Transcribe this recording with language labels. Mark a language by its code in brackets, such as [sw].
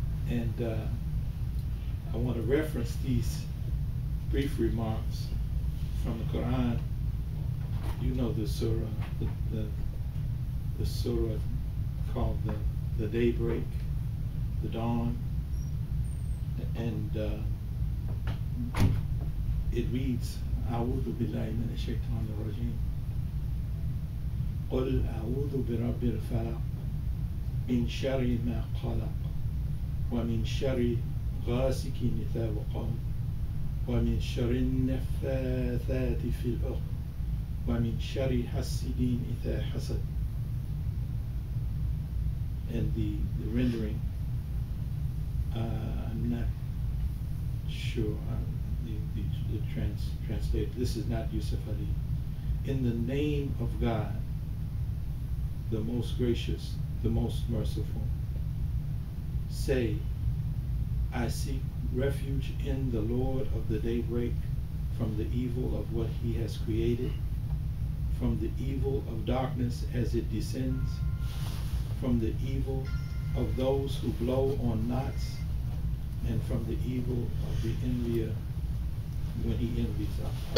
[en] And I want to reference these brief remarks from the Quran. You know the surah, the surah called the daybreak, the dawn. And it reads, [ar] أعوذ بالله من الشيطان الرجيم قل أعوذ برب الفلق من شر ما خلق ومن شر غاسق إذا وقب ومن شر النفاثات في العقد ومن شر حاسد إذا حسد. [en] And the rendering, I'm not sure, the translator, this is not Yusuf Ali. In the name of God, the most gracious, the most merciful, say, I seek refuge in the Lord of the daybreak from the evil of what he has created, from the evil of darkness as it descends, from the evil of those who blow on knots, and from the evil of the envier when he envies us.